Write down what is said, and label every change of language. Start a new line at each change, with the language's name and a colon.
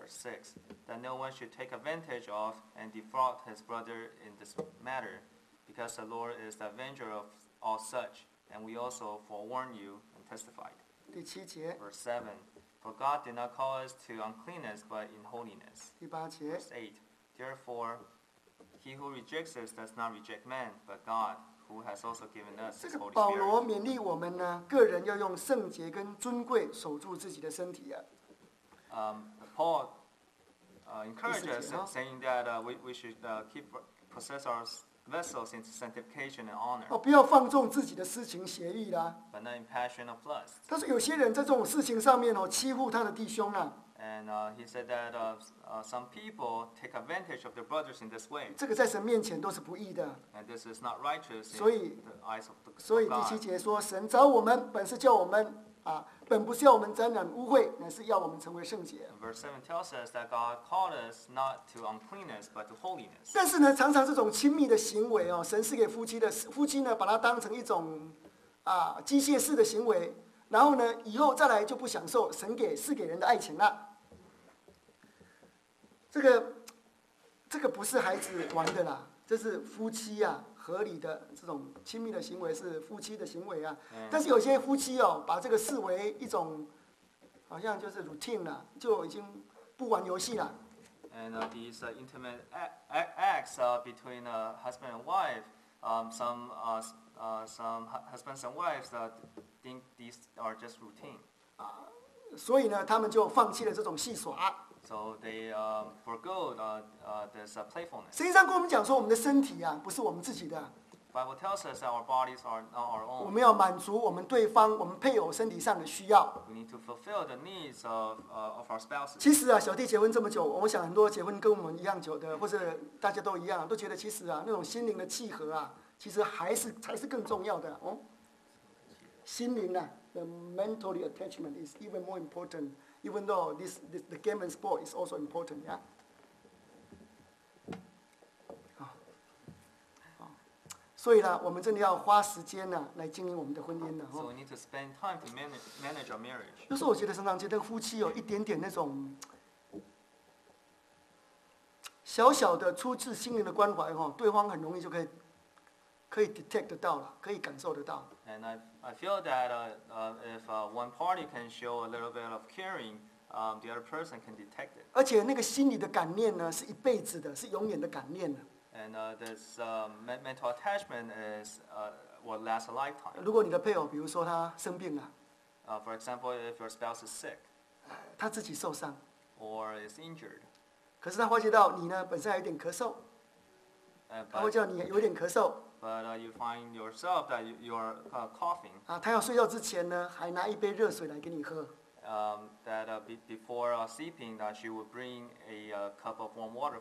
English: Verse 6 That no one should take advantage of and defraud his brother in this matter because the Lord is the avenger of all such and we also forewarn you and testified
Chinese: 第七节
English: Verse 7 For God did not call us to uncleanness but in holiness
Chinese: 第八节
English: Verse 8 Therefore,He who rejects us does not reject man, but God, who has also given us His Holy Spirit.
Chinese: 这个保罗勉励我们呢，个人要用圣洁跟尊贵守住自己的身体啊。
English: Paul encourages us, saying that we should possess our vessels in sanctification and honor.
Chinese: 哦，不要放纵自己的私情邪欲啦。
English: But not in passion of lust.
Chinese: 他说有些人在这种事情上面哦，欺负他的弟兄啊。
English: And he said that some people take advantage of their brothers in this way.
Chinese: 这个在神面前都是不义的。
English: And this is not righteous.
Chinese: 所以
English: in the eyes of the God.
Chinese: 所以第七节说，神召我们本是叫我们啊，本不是要我们沾染污秽，乃是要我们成为圣洁。
English: Verse 7 tells us that God called us not to uncleanness but to holiness.
Chinese: 但是呢，常常这种亲密的行为哦，神是给夫妻的，夫妻呢把它当成一种啊机械式的行为，然后呢以后再来就不享受神给赐给人的爱情了。这个不是孩子玩的啦，这是夫妻啊合理的这种亲密的行为，是夫妻的行为啊。但是有些夫妻哦，把这个视为一种，好像就是 routine 啦，就已经不玩游戏啦。
English: And these intimate acts between a husband and wife, some husbands and wives think these are just routine.
Chinese: 啊，所以呢，他们就放弃了这种戏耍。
English: So they forgo this playfulness.
Chinese: 实际上跟我们讲说，我们的身体啊，不是我们自己的。
English: But Bible tells us that our bodies are not our own.
Chinese: 我们要满足我们对方、我们配偶身体上的需要。
English: We need to fulfill the needs of our spouses.
Chinese: 其实啊，小弟结婚这么久，我想很多结婚跟我们一样久的，或者大家都一样，都觉得其实啊，那种心灵的契合啊，其实还是更重要的。哦，心灵啊
English: ，the mentally attachment is even more important. Even though this the game and sport is also important, yeah.
Chinese: 所以呢，我们真的要花时间呢、啊，来经营我们的婚姻呢、啊。
English: So we need to spend time to manage our marriage.
Chinese: 就是我觉得常常觉得夫妻有一点点那种小小的出自心灵的关怀哈、哦，对方很容易就可以 detect 到了，可以感受得到。
English: And I feel that if one party can show a little bit of caring, the other person can detect it.
Chinese: 而且那个心里的感念呢，是一辈子的，是永远的感念的。
English: And this mental attachment is will last a lifetime.
Chinese: 如果你的配偶，比如说他生病了
English: ，for example, if your spouse is sick,
Chinese: 他自己受伤
English: ，or is injured,
Chinese: 可是他发觉到你呢，本身有点咳嗽，他会叫你有点咳嗽
English: ，but you find yourself that you're coughing.
Chinese: 啊，他要睡觉之前呢，还拿一杯热水来给你喝。
English: That before sleeping, that she would bring a cup of warm water.